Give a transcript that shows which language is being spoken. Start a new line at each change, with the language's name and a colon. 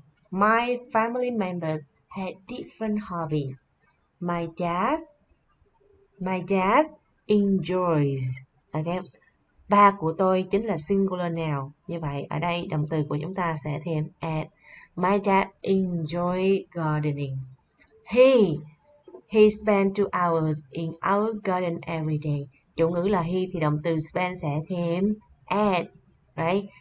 English: My family members had different hobbies. My dad enjoys. Okay.
Vietnamese: Ba của tôi chính là singular noun. Như vậy ở đây động từ của chúng ta sẽ thêm at.
English: My dad enjoys gardening. He spent 2 hours in our garden every day.
Vietnamese: Chủ ngữ là he thì động từ spend sẽ thêm at, right?